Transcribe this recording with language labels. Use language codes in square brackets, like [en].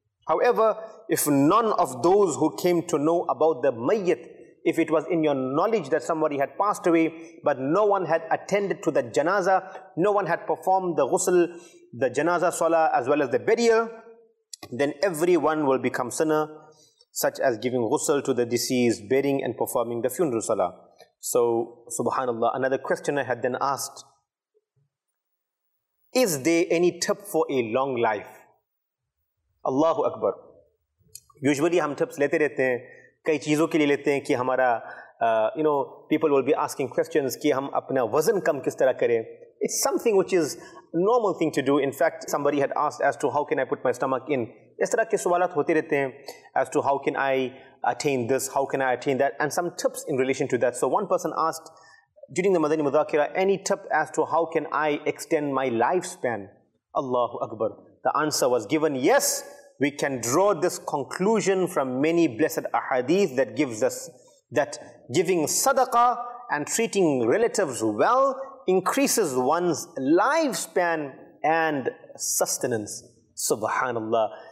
[en] However, if none of those who came to know about the mayyit, if it was in your knowledge that somebody had passed away, but no one had attended to the janazah, no one had performed the ghusl, the janazah salah, as well as the burial, then everyone will become sinner, such as giving ghusl to the deceased, burying and performing the funeral salah. So, subhanallah, another questioner had then asked, is there any tip for a long life? Allahu Akbar. Usually, [ur] hum tips lete rehte hain. کئی چیزوں کے لیے لیتے ہیں کہ ہمارا [en] you know people will be asking questions [ur] کہ ہم اپنا وزن کم کس طرح کریں. [en] It's something which is normal thing to do. In fact somebody had asked as to how can I put my stomach in, [ur] اس طرح کے سوالات ہوتے رہتے ہیں, [en] As to how can I attain this, how can I attain that, and some tips in relation to that. So one person asked during the Madani Muzakra, any tip as to how can I extend my life span? اللہ اکبر. The answer was given, yes, we can draw this conclusion from many blessed ahadith that gives us that giving sadaqah and treating relatives well increases one's lifespan and sustenance. Subhanallah.